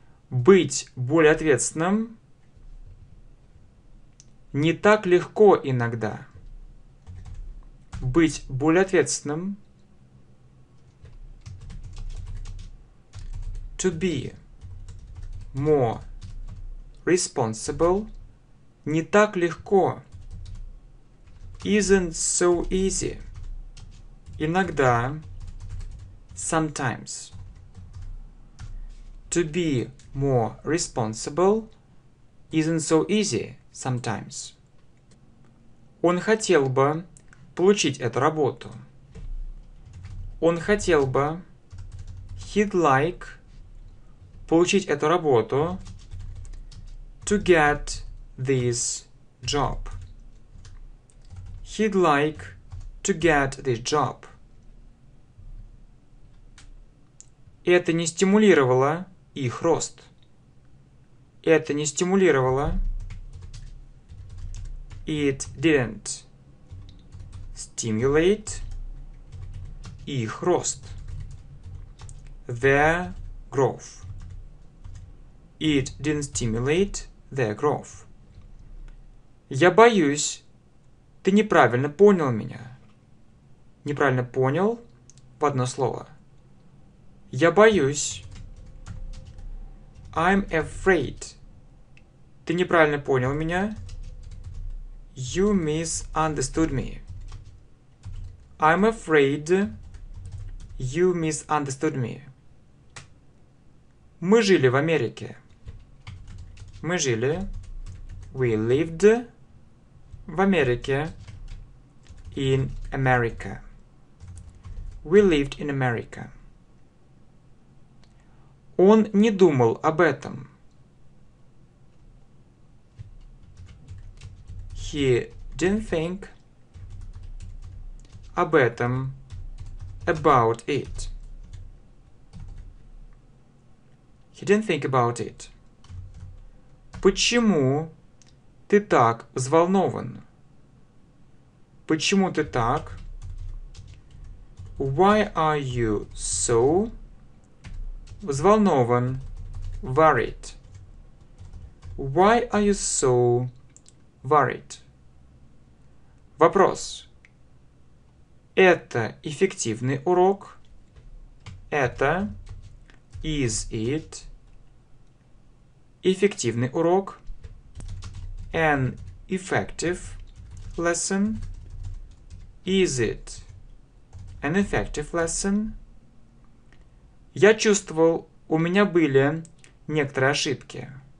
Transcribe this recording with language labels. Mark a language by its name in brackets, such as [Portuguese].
[Russian] Быть более ответственным не так легко иногда. Быть более ответственным. [English] To be more responsible [Russian] не так легко. [English] Isn't so easy. [Russian] Иногда. [English] Sometimes. To be more responsible isn't so easy sometimes. [Russian] Он хотел бы получить эту работу. Он хотел бы, [English] he'd like, [Russian] получить эту работу, [English] to get this job. He'd like to get this job. [Russian] Это не стимулировало их рост. Это не стимулировало. [English] It didn't stimulate [Russian] их рост. [English] Their growth. It didn't stimulate their growth. [Russian] Я боюсь, ты неправильно понял меня. Неправильно понял в одно слово. Я боюсь. [English] I'm afraid. [Russian] Ты неправильно понял меня. [English] You misunderstood me. I'm afraid you misunderstood me. [Russian] Мы жили в Америке. Мы жили. [English] We lived [Russian] в Америке. [English] In America. We lived in America. [Russian] Он не думал об этом. [English] He didn't think [Russian] об этом, [English] about it. He didn't think about it. [Russian] Почему ты так взволнован? Почему ты так? [English] Why are you so [Russian] взволнован, [English] worried? Why are you so worried? [Russian] Вопрос. Это эффективный урок? Это [English] is it [Russian] эффективный урок? [English] An effective lesson? Is it an effective lesson? [Russian] Я чувствовал, у меня были некоторые ошибки.